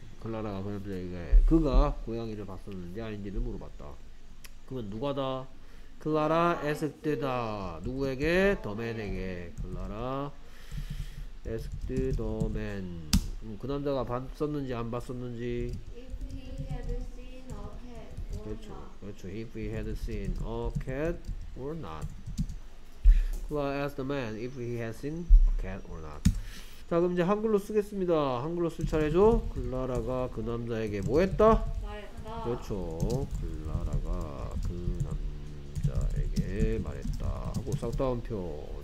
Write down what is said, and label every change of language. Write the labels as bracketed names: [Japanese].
[Korean] 클라라가 그 남자에게 그가 고양이를 봤었는지 아닌지를 물어봤다. 그러면 누가다? 클라라 에스크드다. 누구에게? 더맨에게. [English] 클라라 에스크드 더맨. [Korean] 그 남자가 봤었는지 안 봤었는지. [English] If he had seen a cat or not. [Korean] 그렇죠. [English] If he had seen a cat or not. 클라라 asked the man if he had seen a cat or not. [Korean] 자, 그럼 이제 한글로 쓰겠습니다. 한글로 쓸 차례죠. 클라라가 그 남자에게 뭐 했다? 말했다. 그렇죠. 클라라가 그 에게 말했다 하고 쌍따옴표.